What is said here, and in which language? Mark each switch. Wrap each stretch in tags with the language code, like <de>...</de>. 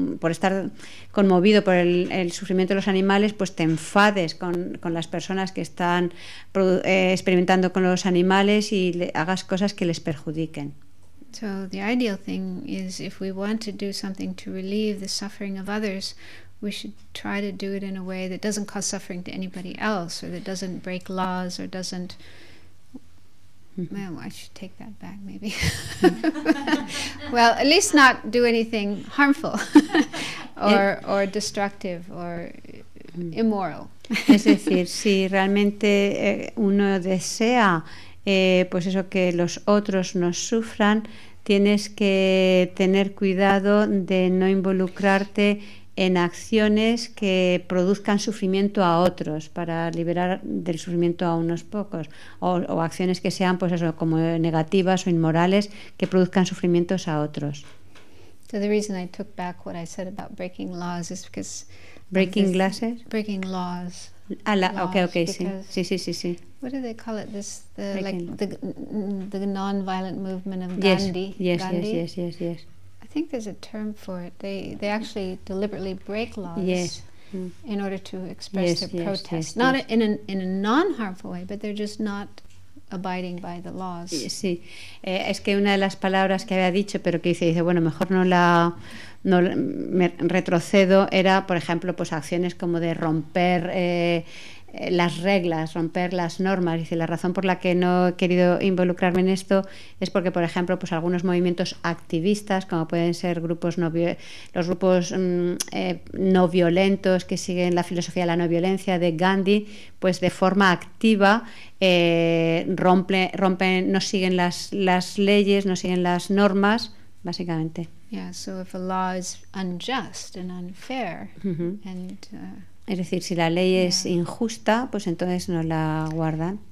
<es>estar conmovido por el sufrimiento de los animales, pues te enfades con las personas que están experimentando con los animales y hagas cosas que les perjudiquen.</es> <en>So the ideal thing is, if we want to do something to relieve the suffering of others, we should try to do it in a way that doesn't cause suffering to anybody else, or that doesn't break laws, or doesn't... Well, I should take that back, maybe. Well, at least not do anything harmful or destructive or immoral.</en> <es>Es decir, si realmente uno desea pues eso, que los otros no sufran, tienes que tener cuidado de no involucrarte en acciones que produzcan sufrimiento a otros, para liberar del sufrimiento a unos pocos, o acciones que sean pues eso, como negativas o inmorales, que produzcan sufrimientos a otros.</es> <en>So the reason I took back what I said about breaking laws is because breaking glasses? Breaking laws.</en> <es>Okay, sí.</es> <en>What do they call it? This the non-violent movement of Gandhi. Yes. I think there's a term for it. They actually deliberately break laws. Yes. In order to express their protest, in a non-harmful way, but they're just not abiding by the laws.</en> <es>Sí, es que una de las palabras que había dicho, pero que dice bueno, mejor me retrocedo, era por ejemplo pues acciones como de romper las reglas, romper las normas. Dice, la razón por la que no he querido involucrarme en esto es porque, por ejemplo, pues algunos movimientos activistas, como pueden ser los grupos no violentos que siguen la filosofía de la no violencia de Gandhi, pues de forma activa rompen, no siguen las leyes, no siguen las normas, básicamente.</es> <en>Yeah, so if a law is unjust and unfair, and</en> <es>es decir, si la ley es injusta, pues entonces no la guardan.</es>